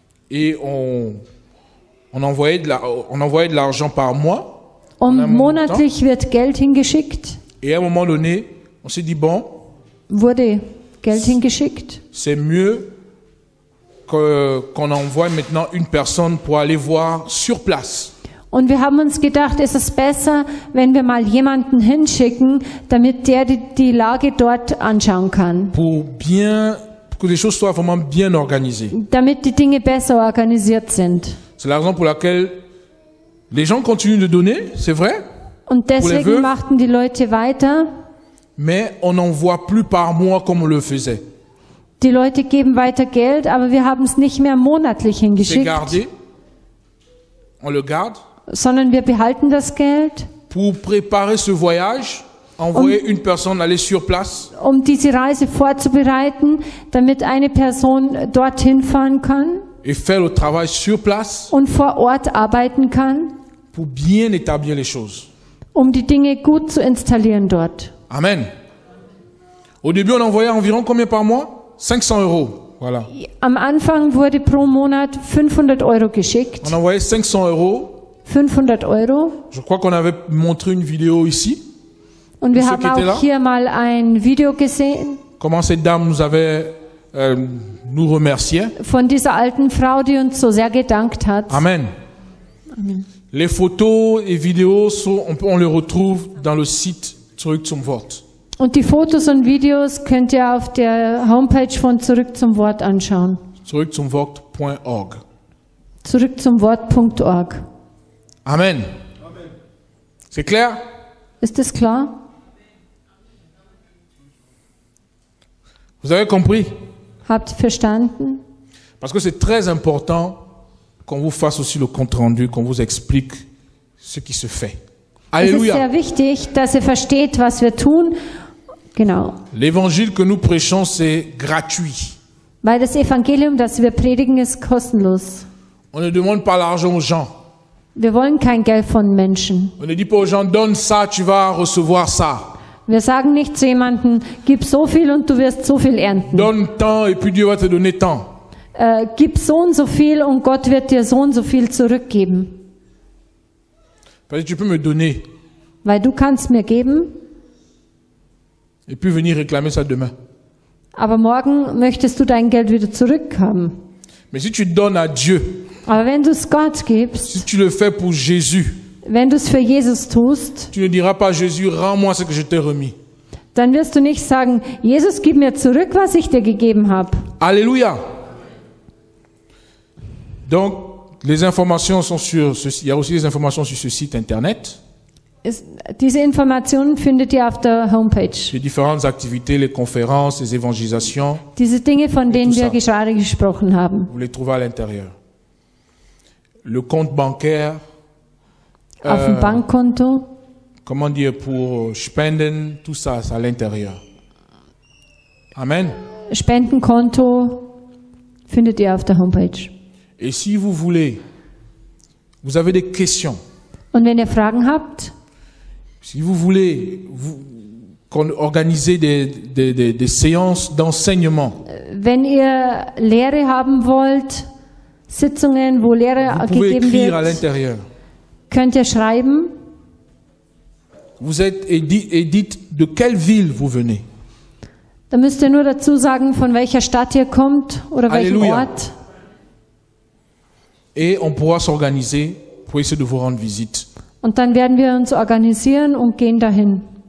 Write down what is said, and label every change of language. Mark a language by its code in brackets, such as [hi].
[fr] Et on envoyait de l'argent par mois. [de] Und monatlich wird Geld hingeschickt. [fr] Et à un moment donné, on s'est dit bon. [de] Wurde Geld hingeschickt. [fr] C'est mieux qu'on envoie maintenant une personne pour aller voir sur place. [de] Und wir haben uns gedacht, es ist besser, wenn wir mal jemanden hinschicken, damit der die Lage dort anschauen kann. [fr] Pour que les choses soient vraiment bien organisées. [de] Damit die Dinge besser organisiert sind. [fr] C'est la raison pour laquelle les gens continuent de donner, c'est vrai. [de] Und deswegen machten die Leute weiter. [fr] Mais on n'en voit plus par mois comme on le faisait. [de] Die Leute geben weiter Geld, aber wir haben es nicht mehr monatlich hingeschickt. [fr] C'est gardé. On le garde. [de] Sondern wir behalten das Geld. [fr] Pour préparer ce voyage, envoyer une personne aller sur place. [de] Um diese Reise vorzubereiten, damit eine Person dorthin fahren kann. [fr] Et faire le travail sur place. [de] Und vor Ort arbeiten kann. [fr] Pour bien établir les choses. [de] Um die Dinge gut zu installieren dort. [fr] Amen. Au début, on envoyait environ combien par mois? 500 euros. Voilà. [de] Am Anfang wurde pro Monat 500 Euro geschickt. [fr] On envoyait 500 euros. [de] 500 Euro. [fr] Je crois qu'on avait montré une vidéo ici. [de] Und wir haben auch hier mal ein Video gesehen. [fr] Comment cette dame nous avait nous remercié. [de] Von dieser alten Frau, die uns so sehr gedankt hat. [fr] Amen. Amen. Les photos et vidéos on les retrouve dans le site Zurück zum Wort. [de] Und die Fotos und Videos könnt ihr auf der Homepage von Zurück zum Wort anschauen. Zurück zum Wort.org. Zurück zum Wort.org. [fr] Amen. C'est clair? [de] Ist das klar? [fr] Vous avez compris? [de] Habt verstanden? [fr] Parce que c'est très important qu'on vous fasse aussi le compte-rendu, qu'on vous explique ce qui se fait. [de] Alléluia. Es ist sehr wichtig, dass ihr versteht, was wir tun. Genau. [fr] L'évangile que nous prêchons, c'est gratuit. [de] Weil das Evangelium, das wir predigen, ist kostenlos. [fr] On ne demande pas l'argent aux gens. [de] Wir wollen kein Geld von Menschen. [fr] On ne dit pas aux gens, donne ça, tu vas recevoir ça. [de] Wir sagen nicht zu jemandem, gib so viel und du wirst so viel ernten. [fr] Donne tant et puis Dieu va te donner tant. [de] Gib so und so viel und Gott wird dir so und so viel zurückgeben. [fr] Parce que tu peux me donner. [de] Weil du kannst mir geben. [fr] Et puis venir réclamer ça demain. [de] Aber morgen möchtest du dein Geld wieder zurückhaben. [fr] Mais si tu donnes à Dieu. [de] Aber wenn du es Gott gibst. [fr] Si tu le fais pour Jésus. [de] Wenn du es für Jesus tust. [fr] Tu ne diras pas Jésus, rends-moi ce que je t'ai remis. [de] Dann wirst du nicht sagen, Jesus, gib mir zurück, was ich dir gegeben habe. [fr] Alléluia. Donc les informations sont sur ce, il y a aussi des informations sur ce site internet. [de] Diese Informationen findet ihr auf der Homepage. [fr] Les différentes activités, les conférences, les évangélisations. [de] Diese Dinge, von denen wir gerade gesprochen haben. [fr] Vous les trouvez à l'intérieur. Le compte bancaire. [de] Auf dem Bankkonto. [fr] Comment dire pour spenden, tout ça, c'est à l'intérieur. Amen. [de] Spendenkonto findet ihr auf der Homepage. [fr] Et si vous voulez, vous avez des questions. [de] Und wenn ihr Fragen habt. [fr] Si vous voulez vous, qu'on organise des séances d'enseignement. [de] Wenn ihr Lehre haben wollt, Sitzungen, wo Lehre gegeben wird. [fr] Vous pouvez écrire à l'intérieur. [de] Könnt ihr schreiben. [fr] Vous êtes et dites de quelle ville vous venez. [de] Da müsst ihr nur dazu sagen, von welcher Stadt ihr kommt oder welchem Ort. [fr] Et on pourra s'organiser pour essayer de vous rendre visite. [de] Und dann werden wir uns organisieren und gehen dahin.